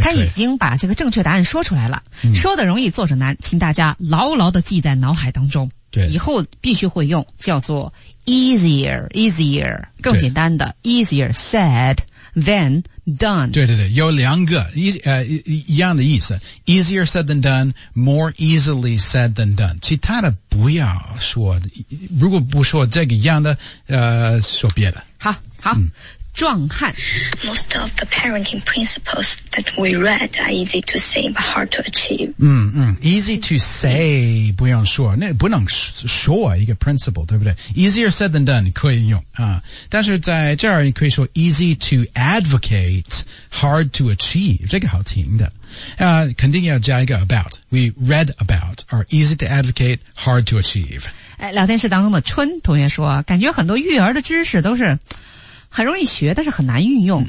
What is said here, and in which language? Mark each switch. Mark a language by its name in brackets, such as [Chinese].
[Chinese] 他已经把这个正确答案说出来了、嗯、说的容易做着难请大家牢牢地记在脑海当中。对。以后必须会用叫做 easier, 更简单的 [English] easier said,Then done. [Chinese] 对对对，有两个一样的意思。 [English] Easier said than done, more easily said than done. [Chinese] 其他的不要说，如果不说这个一样的，说别的。好，好。嗯壮汉 [English] Most of the parenting principles that we read are easy to say but hard to achieve. [Chinese] 嗯嗯 , [English] easy to say, [Chinese] 不用说那不能说一个 principle, 对不对 ? [English] easier said than done, [Chinese] 可以用啊。但是在这儿你可以说 [English] easy to advocate, hard to achieve, [Chinese] 这个好听的。肯定要加一个 [English] about, we read about, are easy to advocate, hard to achieve. [Chinese] 聊天室当中的春同学说感觉很多育儿的知识都是很容易学但是很难运用、